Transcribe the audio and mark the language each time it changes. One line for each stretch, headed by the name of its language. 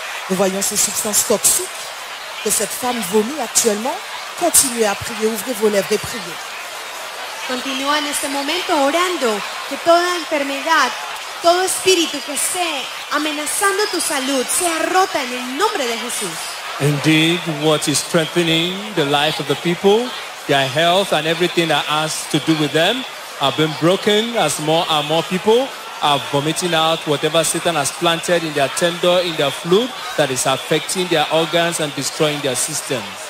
French: Nous voyons ces substances toxiques que cette femme vomit actuellement. Continuez à prier, ouvrez vos lèvres et priez.
Spanish: Continúa en este momento orando que toda enfermedad, todo espíritu que esté amenazando tu salud sea rota en el nombre de Jesús.
English: Indeed, what is strengthening the life of the people, their health and everything that has to do with them have been broken as more and more people are vomiting out whatever Satan has planted in their tendon, in their fluid that is affecting their organs and destroying their systems.